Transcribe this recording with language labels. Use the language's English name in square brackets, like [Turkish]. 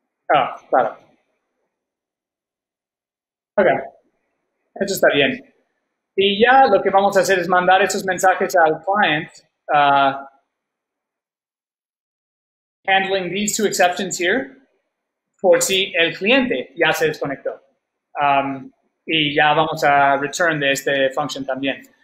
[Spanish] Ah, claro. Okay. Eso está bien. Y ya lo que vamos a hacer es mandar esos mensajes al client. [English] Handling these two exceptions here. [Spanish] Por si el cliente ya se desconectó. Y ya vamos a return de este function también.